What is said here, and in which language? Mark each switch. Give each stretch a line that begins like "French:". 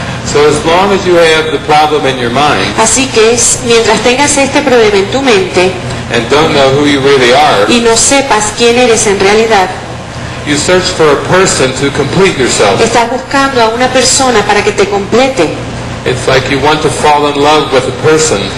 English: So as long as you have the problem in your mind,
Spanish: así que es, mientras tengas este problema en tu mente,
English: and don't know who you really are,
Spanish: y no sepas quién eres en realidad,
English: you search for a person to complete yourself.
Spanish: Estás buscando a una persona para que te complete.
English: It's like you want to fall in love with a person.